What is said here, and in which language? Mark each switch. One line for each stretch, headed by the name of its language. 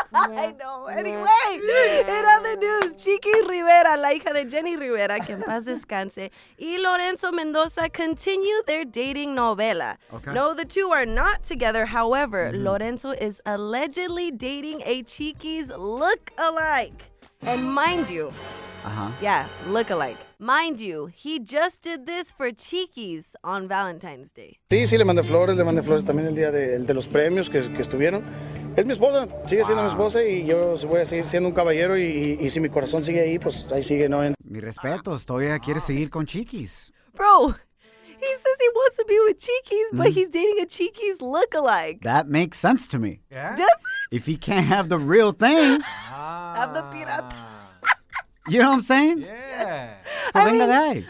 English: I know. Anyway, in other news, Chiqui Rivera,
Spanish: la hija de Jenny Rivera, que en paz descanse, y
English: Lorenzo Mendoza continue their dating novela. Okay. No, the two are not together. However, Lorenzo is allegedly dating a Chiqui's look-alike. And mind you, look-alike. Mind you, he just did this for Chiqui's on Valentine's Day.
Spanish: Sí, sí, le mandé flores también el día de los premios que estuvieron. Es mi esposa, sigue siendo mi esposa y yo voy a seguir siendo un caballero y si mi corazón sigue ahí, pues ahí sigue, ¿no? Mi respeto, todavía quiere seguir con Chiqui's.
English: Bro, he says he wants to be with Chiqui's, but he's dating a Chiqui's look-alike. That makes sense to me. Yeah? Does it? If he can't have the real thing. Have the pirata. You know what I'm saying? Yeah. Yes.